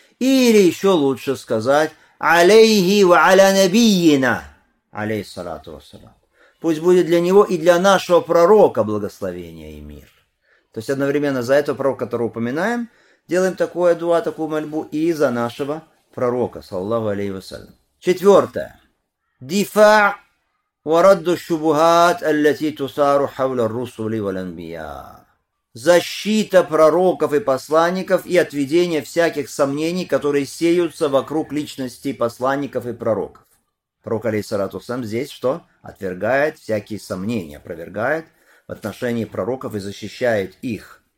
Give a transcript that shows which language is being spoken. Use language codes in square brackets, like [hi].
[ru] Или еще лучше сказать [ar] алейхи ва аля набийина, алейхиссалату вассалам. [ru] Пусть будет для него и для нашего пророка благословение и мир. То есть одновременно за этого пророка, которого упоминаем, делаем такое дуа, такую мольбу и за нашего пророка, [ar] саллаллаху алейхи вассалам. [ru] Четвертое. [ar] Дифа وَرَدُّ الشُّبُهَاتِ الَّتِي تُسَارُ حَوْلَ الرُّسُولِ وَلَنْبِيَا. [ru] Защита пророков и посланников и отведение всяких сомнений, которые сеются вокруг личности посланников и пророков. Пророк, [ar] алейхиссалату вассалям, [ru] здесь что? Отвергает всякие сомнения, опровергает в отношении пророков и защищает их.